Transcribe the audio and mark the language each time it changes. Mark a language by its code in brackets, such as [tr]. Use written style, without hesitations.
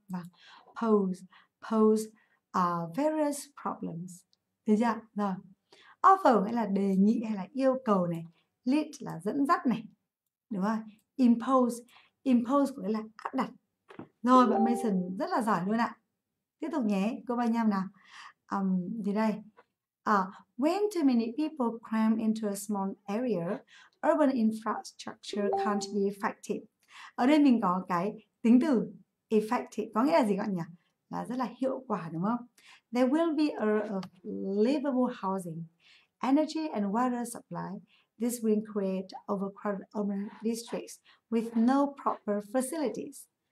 [vi] Và [en] pose various problems. [vi] Thấy chưa? Rồi. Offer nghĩa là đề nghị hay là yêu cầu này. Lead là dẫn dắt này, đúng không? Impose, impose có nghĩa là áp đặt. Rồi bạn Mason rất là giỏi luôn ạ. Tiếp tục nhé, cô bao nhiêu nào? Thì đây. [en] When too many people cram into a small area, urban infrastructure can't be effective. [vi] Ở đây mình có cái tính từ effective, có nghĩa là gì các bạn nhỉ? Là rất là hiệu quả, đúng không? [en] There will be a livable housing, energy and water supply. This will create overcrowded urban districts with no proper facilities.